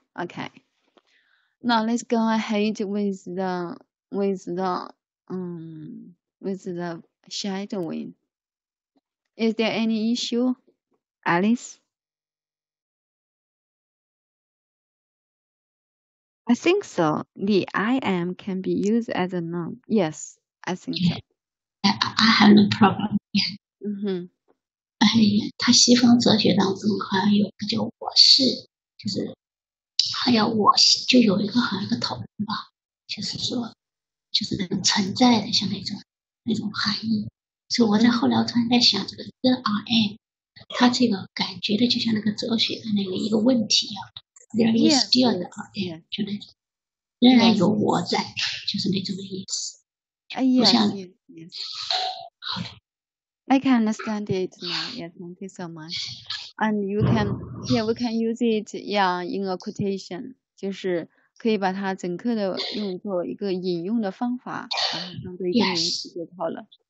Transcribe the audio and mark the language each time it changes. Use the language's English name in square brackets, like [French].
[English] Okay. Now let's go ahead with the shadowing. Is there any issue, Alice? I think so. The I am can be used as a noun. Yes, I think so. I have no problem. Mm-hmm. [Chinese] 哎，他西方哲学当中好像有个叫我是，就是他要我就有一个好像一个头吧，就是说，就是那种存在的像那种含义。所以我在后来突然在想，这个 [English] the I am， [Chinese] 他这个感觉的就像那个哲学的那个一个问题一样 ， [English] there is still the I am， [Chinese] 就那种仍然有我在，就是那种意思。哎呀，我想，好的。 [English] I can understand it now. Yes, thank you so much. And you can, yeah, we can use it, yeah, in a quotation. [Chinese] 就是可以把它整个的用作一个引用的方法，然后当做一个名词就好了。